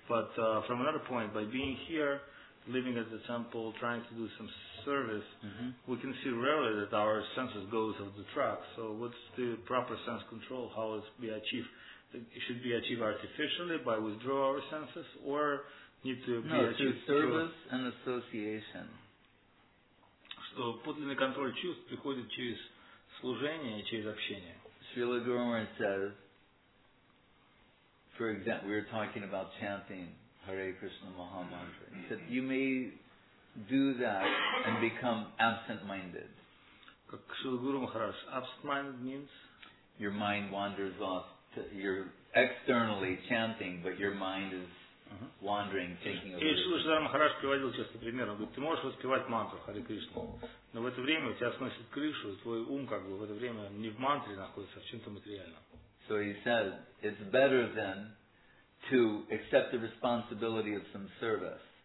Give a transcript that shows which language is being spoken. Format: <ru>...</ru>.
<en>But from another point, by being here, living at the temple, trying to do some service, we can see rarely that our senses go off the track. So what's the proper sense control? How it be achieved? It should be achieved artificially by withdrawing our senses, or need to be achieved through service and association.</en> <ru>Что подлинный контроль чувств приходит через служение и через общение.</ru> <en>Srila Guru Maharaj says, for example, we were talking about chanting Hare Krishna Maha Mantra. He said, you may do that and become absent-minded.</en> <ru>Как Шрила Гуру Махарадж,</ru> <en>absent-minded means? Your mind wanders off. You're externally chanting, but your mind is wandering, thinking of</en> <ru>it. И Шрила Гуру Махарадж приводил часто пример. Он говорит, ты можешь воспевать мантру Харе Кришна, но в это время у тебя сносит крышу, и твой ум как бы в это время не в мантре находится, а в чем-то материальном.</ru> <en>So he said, it's better then to accept the responsibility of some service.</en>